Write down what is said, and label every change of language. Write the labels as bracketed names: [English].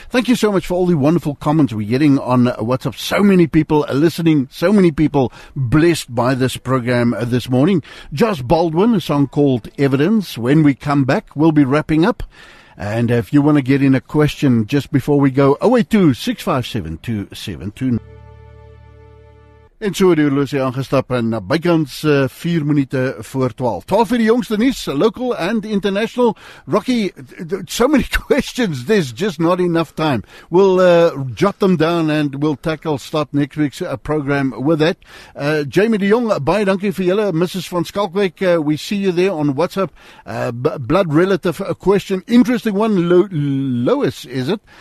[English] Thank you so much for all the wonderful comments we're getting on WhatsApp. So many people are listening, so many people blessed by this program this morning. Josh Baldwin, a song called Evidence. When we come back, we'll be wrapping up. And if you want to get in a question just before we go, 082-657-2729. [Afrikaans] En so het die horlosie aangestap en na bykans 4 minute voor 12. 12 vir die jongste nuus, [English] local and international. Rocky, so many questions, there's just not enough time. We'll jot them down and we'll tackle start next week's program with that. Jamie de Jong, [Afrikaans] baie dankie vir julle. [English] Mrs. van Skalkwyk, we see you there on WhatsApp. Blood relative, a question. Interesting one, Lois, is it?